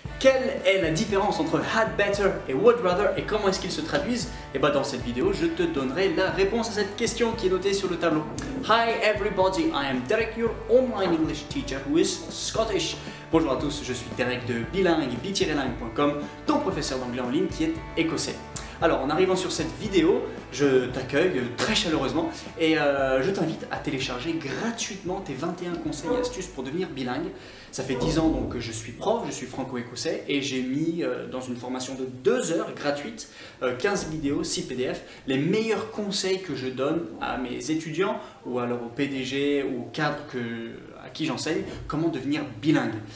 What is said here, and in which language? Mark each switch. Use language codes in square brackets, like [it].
[fr] Quelle est la différence entre had better et would rather et comment est-ce qu'ils se traduisent? Et bien dans cette vidéo, je te donnerai la réponse à cette question qui est notée sur le tableau. [en] Hi everybody, I am Derek, your online English teacher who is Scottish. [fr] Bonjour à tous, je suis Derek de bilingue-lingue.com, ton professeur d'anglais en ligne qui est écossais. Alors, en arrivant sur cette vidéo, je t'accueille très chaleureusement et je t'invite à télécharger gratuitement tes 21 conseils et astuces pour devenir bilingue. Ça fait 10 ans donc, que je suis prof, je suis franco-écossais et j'ai mis dans une formation de 2 heures gratuite, 15 vidéos, 6 PDF, les meilleurs conseils que je donne à mes étudiants ou alors au PDG ou au cadre à qui j'enseigne, comment devenir bilingue.